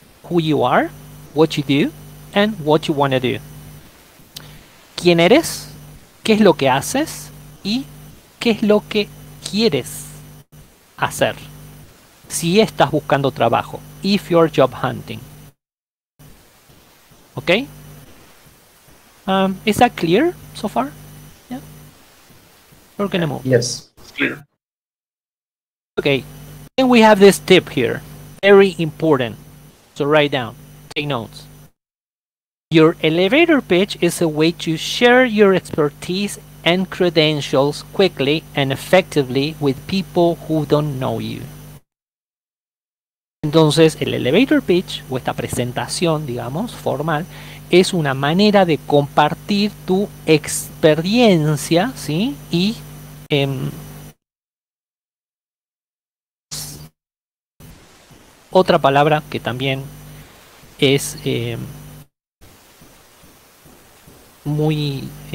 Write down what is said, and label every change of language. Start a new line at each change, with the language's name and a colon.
English: Who you are, what you do, and what you want to do.
Spanish: ¿Quién eres? ¿Qué es lo que haces? ¿Y qué es lo que quieres hacer si estás buscando trabajo?
English: If you're job hunting. ¿Ok? Is that clear so far? Yeah. We're gonna move. Yes, clear. Ok. Then we have this tip here. Very important. So write down. Take notes. Your elevator pitch is a way to share your expertise and credentials quickly and effectively with people who don't know you.
Spanish: Entonces, el elevator pitch, o esta presentación, digamos, formal, es una manera de compartir tu experiencia, ¿sí? Y otra palabra que también es muy...